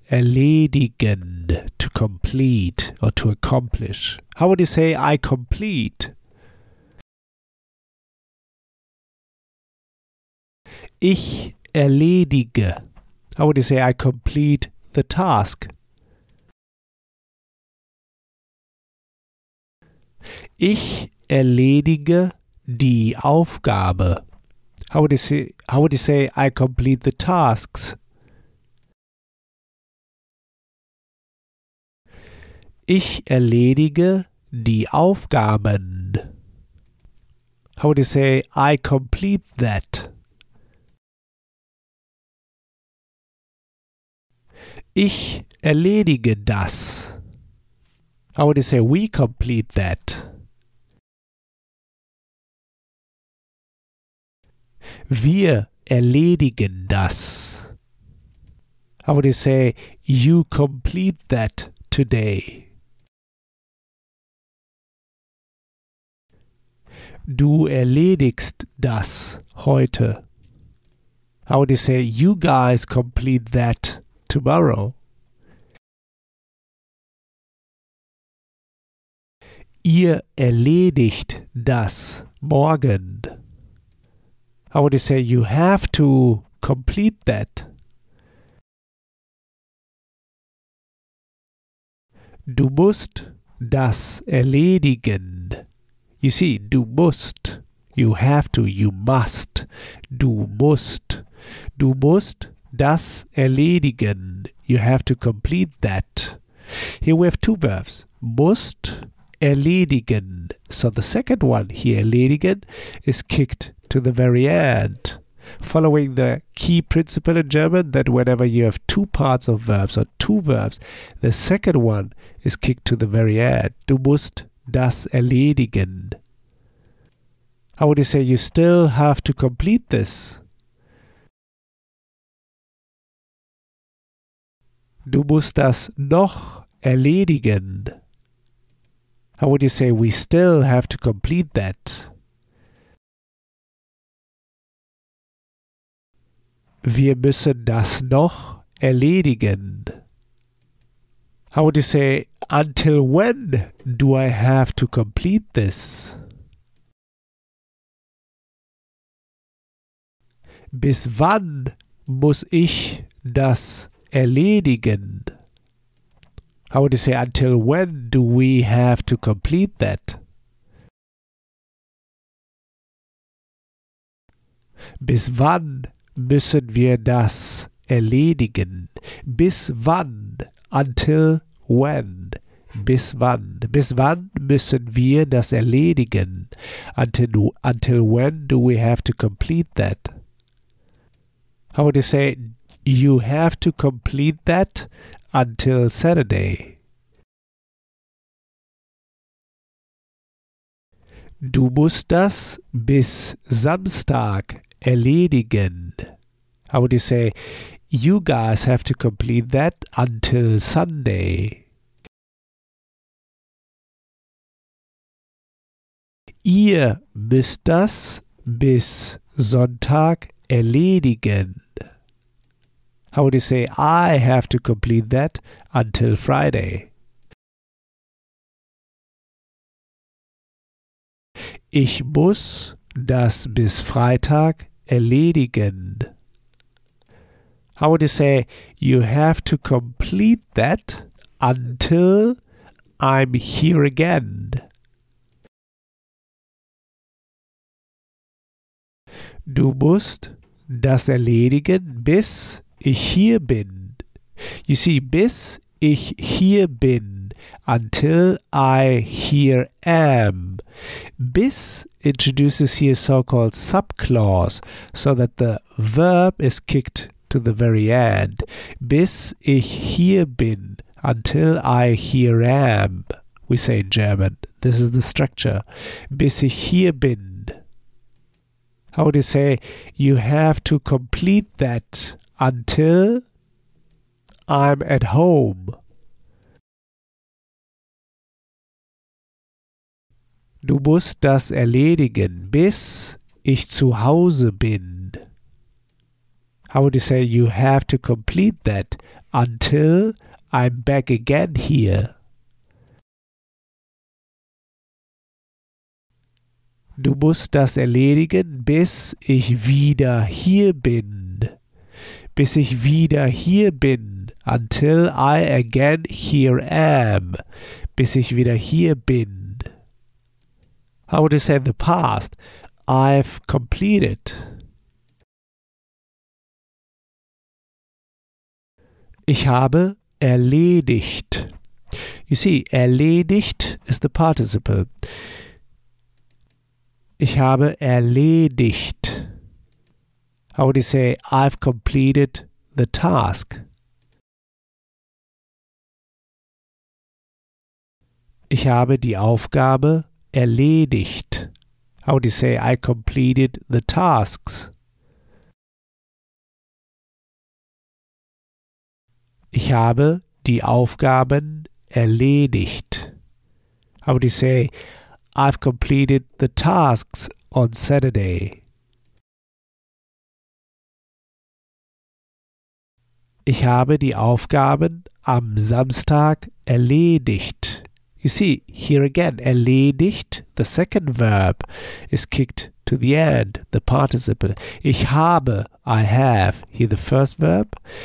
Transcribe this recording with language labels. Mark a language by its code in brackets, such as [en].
[en] Erledigen, to complete or to accomplish. How would you say I complete? [de] Ich erledige. [en] How would you say I complete the task? [de] Ich erledige die Aufgabe. [en] How would you say I complete the tasks? [de] Ich erledige die Aufgaben. [en] How would you say I complete that? [de] Ich erledige das. [en] How would you say we complete that? [de] Wir erledigen das. [en] How would you say you complete that today? [de] Du erledigst das heute. [en] How would you say you guys complete that tomorrow? [de] Ihr erledigt das morgen. [en] How would you say you have to complete that? [de] Du musst das erledigen. [en] You see, [de] du musst, [en] you have to, you must, [de] du musst. Du musst das erledigen. [en] You have to complete that. Here we have two verbs. [de] Musst erledigen. [en] So the second one here, erledigen, is kicked to the very end. Following the key principle in German that whenever you have two parts of verbs or two verbs, the second one is kicked to the very end. [de] Du musst das erledigen. [en] How would you say you still have to complete this? [de] Du musst das noch erledigen. [en] How would you say we still have to complete that? [de] Wir müssen das noch erledigen. [en] How would you say, until when do I have to complete this? [de] Bis wann muss ich das erledigen? [en] How would you say, until when do we have to complete that? [de] Bis wann müssen wir das erledigen? Bis wann? [en] Until when? [de] Bis wann? Bis wann müssen wir das erledigen? [en] Until when do we have to complete that? How would you say, you have to complete that until Saturday? [de] Du musst das bis Samstag erledigen. [en] How would you say, you guys have to complete that until Sunday? [de] Ihr müsst das bis Sonntag erledigen. [en] How would you say, I have to complete that until Friday? [de] Ich muss das bis Freitag erledigen. [en] How would you say, you have to complete that until I'm here again? [de] Du musst das erledigen, bis ich hier bin. [en] You see, [de] bis ich hier bin, [en] until I here am. Bis introduces here so-called subclause, so that the verb is kicked to the very end. [de] Bis ich hier bin, [en] until I here am, we say in German. This is the structure. [de] Bis ich hier bin. [en] How would you say, you have to complete that until I'm at home? [de] Du musst das erledigen, bis ich zu Hause bin. [en] How would you say you have to complete that until I'm back again here? [de] Du musst das erledigen, bis ich wieder hier bin. Bis ich wieder hier bin. [en] Until I again here am. [de] Bis ich wieder hier bin. [en] How would you say in the past? I've completed. [de] Ich habe erledigt. [en] You see, erledigt is the participle. [de] Ich habe erledigt. [en] How would you say, I've completed the task? [de] Ich habe die Aufgabe erledigt. [en] How would you say, I completed the tasks? [de] Ich habe die Aufgaben erledigt. [en] How would you say, I've completed the tasks on Saturday? [de] Ich habe die Aufgaben am Samstag erledigt. [en] You see, here again, erledigt, the second verb, is kicked to the end, the participle. [de] Ich habe, [en] I have, here the first verb.